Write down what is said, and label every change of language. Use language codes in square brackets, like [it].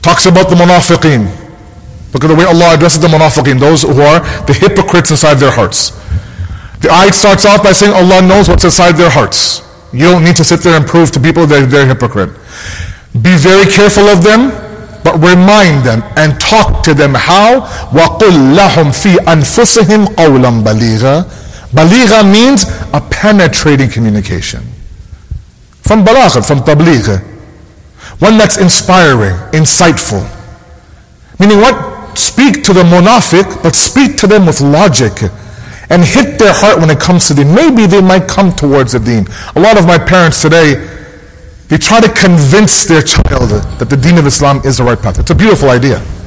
[en] Talks about the munafiqeen. Look at the way Allah addresses the munafiqeen, those who are the hypocrites inside their hearts. The ayat starts off by saying Allah knows what's inside their hearts. You don't need to sit there and prove to people that they're a hypocrite. Be very careful of them, but remind them and talk to them how? [ar] وَقُلْ لَهُمْ فِي أَنفُسِهِمْ قَوْلًا بَلِيغًا [en] Baligha means a penetrating communication. From balagha, from tabligh. One that's inspiring, insightful. Meaning what? Speak to the munafiq, but speak to them with logic. And hit their heart when it comes to deen. Maybe they might come towards the deen. A lot of my parents today, they try to convince their child that the deen of Islam is the right path. It's a beautiful idea.